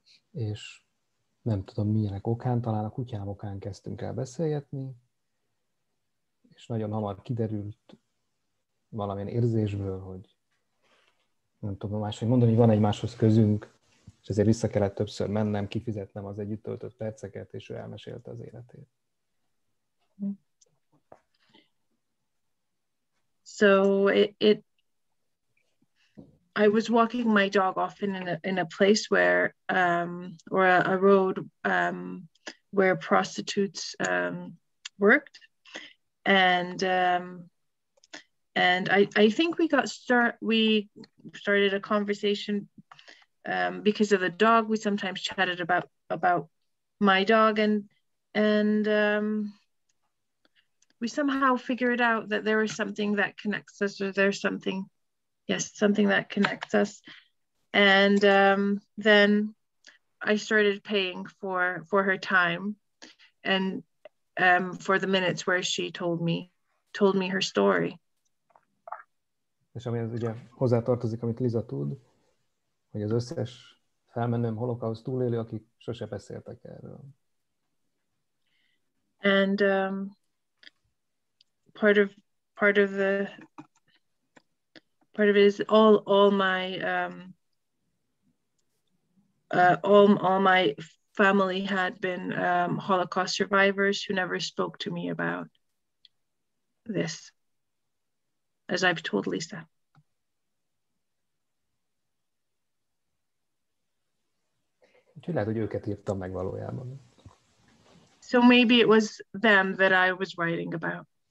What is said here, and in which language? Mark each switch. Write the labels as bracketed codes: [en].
[hu] És nem tudom milyenek okán, talán a kutyám okán kezdtünk el beszélgetni, és nagyon hamar kiderült valamilyen érzésből, hogy nem tudom máshogy mondani, hogy van egymáshoz közünk, és ezért vissza kellett többször mennem, kifizetnem az együtt töltött perceket, és ő elmesélte az életét. [en] So I was walking my dog often in a place where or a road where prostitutes worked, and I think we got started a conversation. Because of the dog, we sometimes chatted about my dog, and we somehow figured out that there is something that connects us, or there's something, yes, something that connects us. And then I started paying for her time, and for the minutes where she told me her story. [hu] És ami az ugye hozzátartozik, amit Liza tud, hogy az összes felmenőm holokauszt túlélő, akik sose beszéltek erről. [en] And part of it is all my family had been Holocaust survivors who never spoke to me about this, as I've told Lisa. [hu] Úgyhogy lehet, hogy őket írtam meg valójában. [en] So maybe it was them that I was writing about.